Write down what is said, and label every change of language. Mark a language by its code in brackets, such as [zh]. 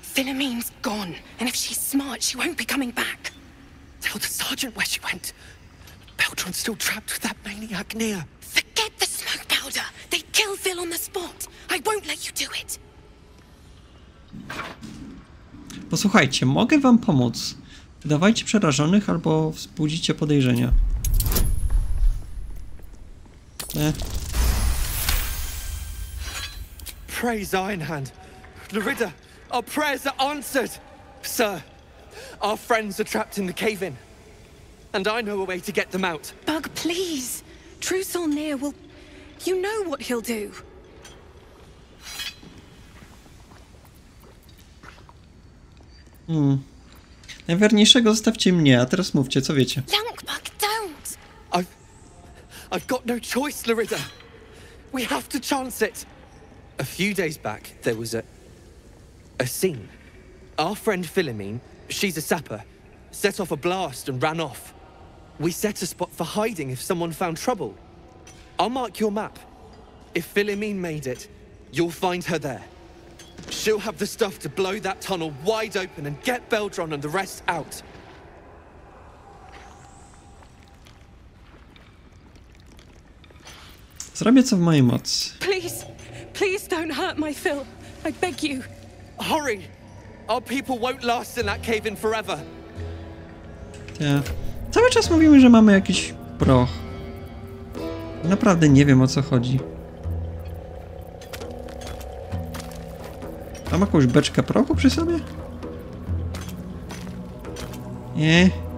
[en] Philomene's gone, and if she's smart, she won't be coming back. Tell the sergeant where she went. Beltron's still trapped with that maniac near. Forget the smoke powder. They'd kill Phil on the spot. I won't let you do it. [pl] Posłuchajcie, mogę wam pomóc. Wydawajcie przerażonych albo wzbudzicie podejrzenia. [en] Praise Ironhand. Lurida, our prayers are answered, sir. Our friends are trapped in the cave-in, and I know a way to get them out. Bug, please. Trusolnir will... You know what he'll do. [pl] Najwierniejszego zostawcie mnie, a teraz mówcie, co wiecie. [en] Lankbug, don't! I've got no choice, Lurida. We have to chance it. A few days back, there was a scene. Our friend Philomene, she's a sapper, set off a blast and ran off. We set a spot for hiding if someone found trouble. I'll mark your map. If Philomene made it, you'll find her there. She'll have the stuff to blow that tunnel wide open and get Beltron and the rest out. [pl] Zrobię co w mojej mocy. [en] Please, please don't hurt my Phil. I beg you. Hurry! Our people won't last in that cave-in forever. Yeah. [pl] Cały czas mówimy, że mamy jakiś proch. Naprawdę nie wiem, o co chodzi. Mam jakąś beczkę prochu przy sobie? Nie.